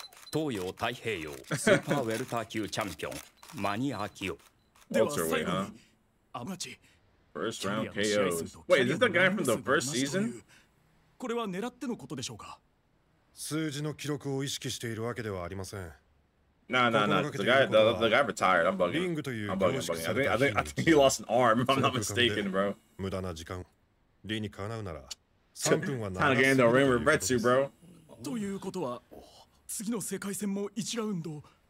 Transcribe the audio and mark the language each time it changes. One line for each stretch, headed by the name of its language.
English: Toyo Taiheyo, Super Welter Q Champion, Mani Akio. Welterweight, huh? Amachi. First round KOs. Wait, is this the guy from the first season?
Japanese: これは狙ってのことでしょうか? 数字の記録を意識しているわけではありません。
English: The guy retired. I'm bugging. I think he lost an arm, if I'm not mistaken, bro.
Japanese: 無駄な時間。理にかなうなら、 3分は長すぎる。
English: Time to get into a ring with Retsu, bro.
Japanese: ということは、次の世界戦も1ラウンド。